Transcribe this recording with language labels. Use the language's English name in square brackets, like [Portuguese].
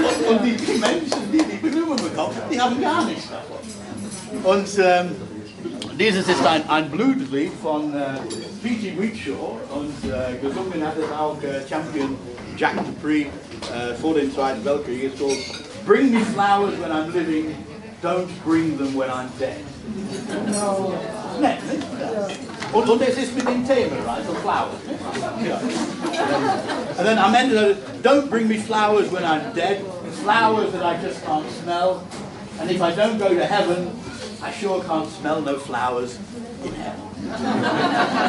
[German] Und die Menschen, die Blumen bekommen, die haben gar nichts davon. Und dieses ist ein Blueslied von Peatie Wheatstraw. Und gesungen hat es auch Champion Jack Dupree vor dem Zweiten Weltkrieg. [English] It's called Bring Me Flowers When I'm Living, Don't Bring Them When I'm Dead. No. [German] Und es ist mit dem Thema, [English] right? So flowers. Yeah. And then [German] am Ende, [English] don't bring me flowers when I'm dead, flowers that I just can't smell. And if I don't go to heaven, I sure can't smell no flowers in heaven.